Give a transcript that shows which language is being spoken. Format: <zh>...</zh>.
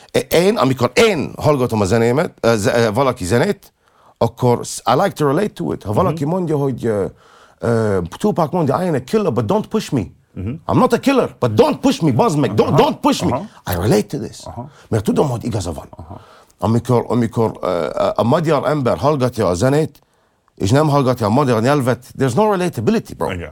<hu>Én, amikor én hallgatom a zenémet, valaki zenét, akkor</hu> <en>I like to relate to it.</en> <hu>Ha valaki mondja, hogy...</hu> <en>Tupac mondja, I ain't a killer, but don't push me. I'm not a killer, but don't push me, buzz meg, don't push me. I relate to this.</en> <hu>Mert tudom, hogy igaza van. Amikor a magyar ember hallgatja a zenét, és nem hallgatja a magyar nyelvet,</hu> <en>there's no relatability, bro.</en>